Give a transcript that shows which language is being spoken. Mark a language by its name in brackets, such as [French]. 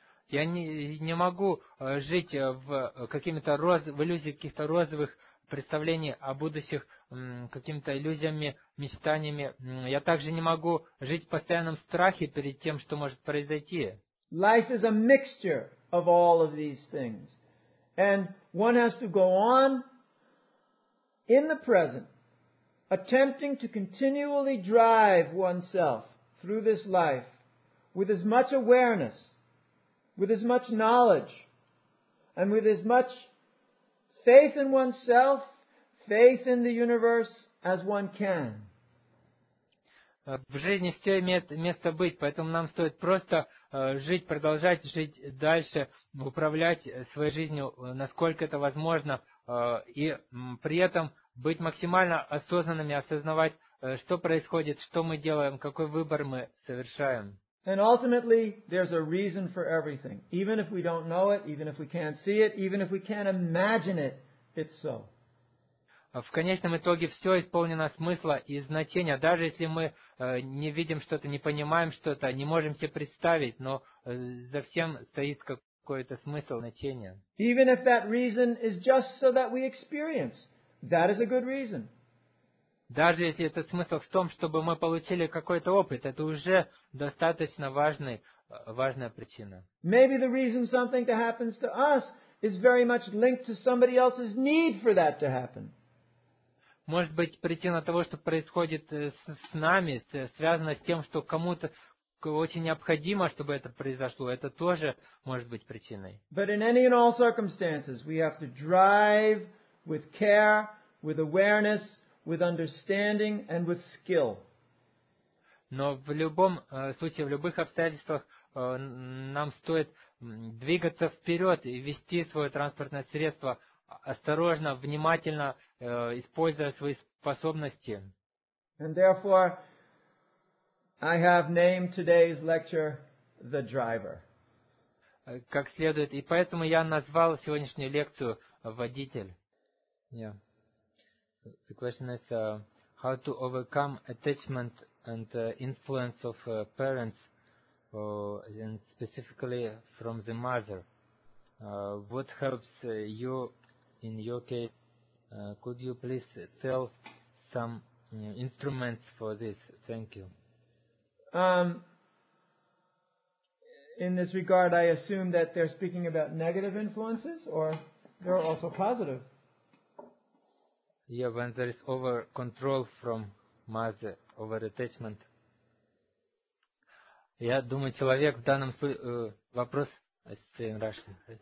[Russian] Я не могу жить в какими-то в иллюзии каких-то розовых представлений о будущем, какими-то иллюзиями, мечтаниями. Я также не могу жить в постоянном страхе перед тем, что может произойти. [English] Life is a mixture of all of these things. And one has to go on in the present, attempting to continually drive oneself through this life with as much awareness, with as much knowledge, and with as much faith in oneself, faith in the universe, as one can. [Russian] В жизни все имеет место быть, поэтому нам стоит просто жить, продолжать жить дальше, управлять своей жизнью, насколько это возможно, и при этом быть максимально осознанными, осознавать, что происходит, что мы делаем, какой выбор мы совершаем. [English] And ultimately, there's a reason for everything. Even if we don't know it, even if we can't see it, even if we can't imagine it, it's so. [Russian] В конечном итоге все исполнено смысла и значения, даже если мы не видим что-то, не понимаем что-то, не можем себе представить, но за всем стоит какой-то смысл, значение. [English] Even if that reason is just so that we experience, that is a good reason. [Russian] Даже если этот смысл в том, чтобы мы получили какой-то опыт, это уже достаточно важная причина. [English] Maybe the reason something that happens to us is very much linked to somebody else's need for that to happen. [Russian] Может быть, причина того, что происходит с нами, связана с тем, что кому-то очень необходимо, чтобы это произошло, это тоже может быть причиной. [English] But in any and all circumstances, we have to drive with care, with awareness, with understanding and with skill. [Russian] Но в любом случае, в любых обстоятельствах, нам стоит двигаться вперед и вести свое транспортное средство осторожно, внимательно, используя свои способности. [English] And therefore, I have named today's lecture The Driver. [Russian] Как следует, и поэтому я назвал сегодняшнюю лекцию «Водитель». [English] Yeah. The question is how to overcome attachment and influence of parents, and specifically from the mother. What helps you in your case? Could you please tell some instruments for this? Thank you. In this regard, I assume that they're speaking about negative influences, or they're also positive. Yeah, when there is over control from mother, over attachment. [Russian] Я думаю, человек в данном вопрос [English] in Russian.